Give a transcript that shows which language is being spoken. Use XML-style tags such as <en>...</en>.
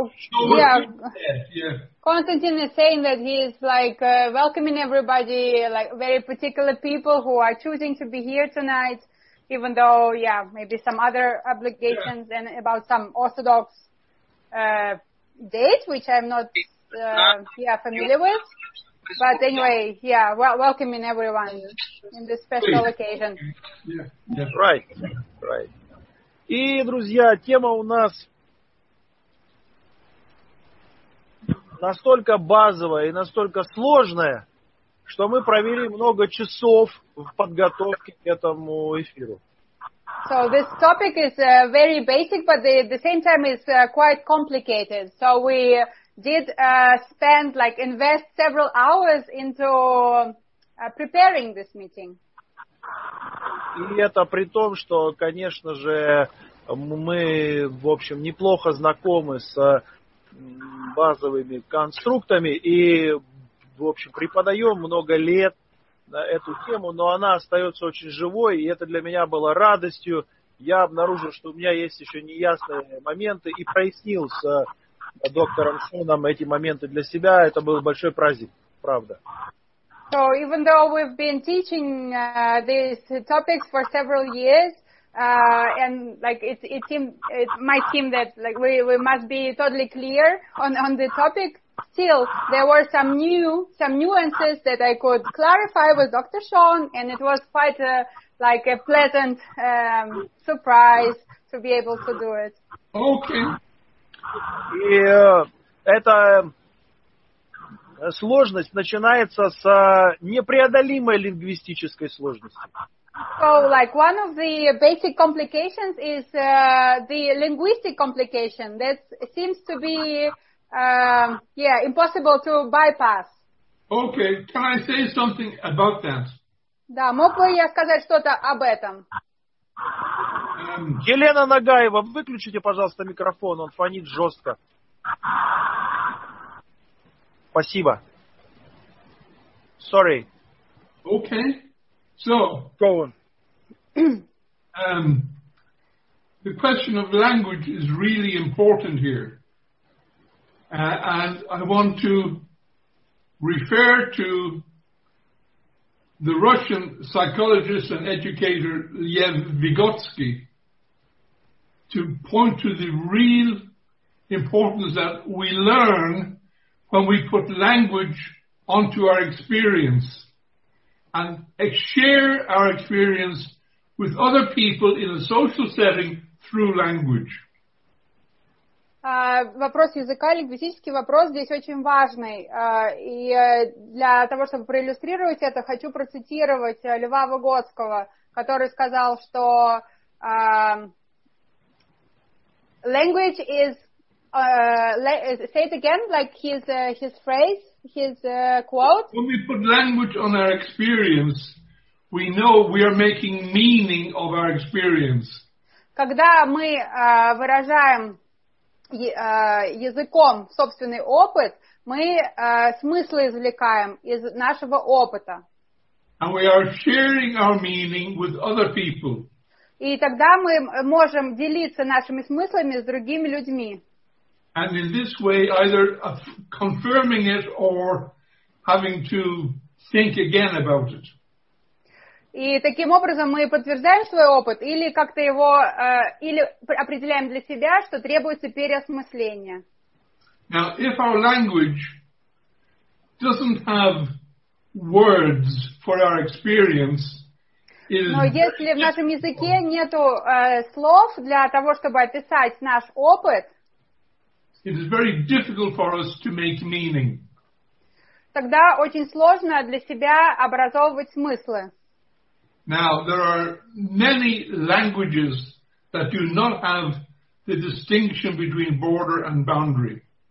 <en>Constantine is saying that he is like welcoming everybody, like very particular people who are choosing to be here tonight, even though, yeah, maybe some other obligations and about some Orthodox date, which I'm not familiar with. But anyway, yeah, welcoming everyone in this special occasion. Yeah. Right, right.</en> <ru>И, друзья, тема у нас настолько базовая и настолько сложная, что мы провели много часов в подготовке к этому эфиру.</ru> <en>So this topic is very basic, but at the same time is quite complicated. So we did spend, like, invest several hours into preparing this meeting.</en> <ru>И это при том, что, конечно же, мы, в общем, неплохо знакомы с базовыми конструктами и, в общем, преподаем много лет на эту тему, но она остается очень живой, и это для меня было радостью. Я обнаружил, что у меня есть еще неясные моменты, и прояснил с доктором Шоном эти моменты для себя. Это был большой праздник, правда.</ru> <en>So, even though we've been teaching these topics for several years, and like it might seem that like we must be totally clear on the topic, still there were some nuances that I could clarify with Dr. Sean, and it was quite a pleasant surprise to be able to do it. Okay.</en> <ru>Это сложность начинается с непреодолимой лингвистической сложности.</ru> <en>So, like, one of the basic complications is the linguistic complication that seems to be, impossible to bypass. Okay, can I say something about that?</en> <ru>Да, мог бы я сказать что-то об этом? Елена Нагаева, выключите, пожалуйста, микрофон, он фонит жестко. Спасибо.</ru> <en>Sorry. Okay, so... Go on. The question of language is really important here, and I want to refer to the Russian psychologist and educator Lev Vygotsky to point to the real importance that we learn when we put language onto our experience and share our experience with other people in a social setting through language.</en> <ru>Вопрос языка, лингвистический вопрос здесь очень важный. И для того, чтобы проиллюстрировать это, хочу процитировать Льва Выгодского, который сказал, что</ru> <en>language is... say it again, like his phrase, his quote. When we put language on our experience... We know we are making meaning of our experience.</en> <ru>Когда мы выражаем языком собственный опыт, мы смыслы извлекаем из нашего опыта.</ru> <en>And we are sharing our meaning with other people.</en> <ru>И тогда мы можем делиться нашими смыслами с другими людьми.</ru> <en>And in this way, either confirming it or having to think again about it.</en> <ru>И таким образом мы подтверждаем свой опыт или как-то его, или определяем для себя, что требуется переосмысление.</ru> <en>Now, if our language doesn't have words for our experience, it is...</en> <ru>Но если в нашем языке нету слов для того, чтобы описать наш опыт,</ru> <en>it is very difficult for us to make meaning.</en> <ru>Тогда очень сложно для себя образовывать смыслы.</ru> <en>Now, there are many languages that do not have the distinction between border and boundary.</en>